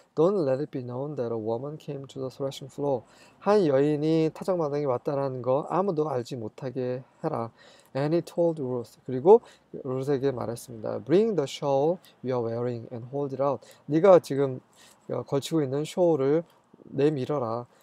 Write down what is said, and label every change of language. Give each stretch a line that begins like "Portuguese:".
English: Don't let it be known that a woman came to the threshing floor.
Korean: 한 여인이 타작마당에 왔다라는 거 아무도 알지 못하게 해라.
English: And he told Ruth.
Korean: 그리고 루스에게 말했습니다.
English: Bring the shawl you are wearing and hold it out.
Korean: 네가 지금 걸치고 있는 쇼를 내밀어라.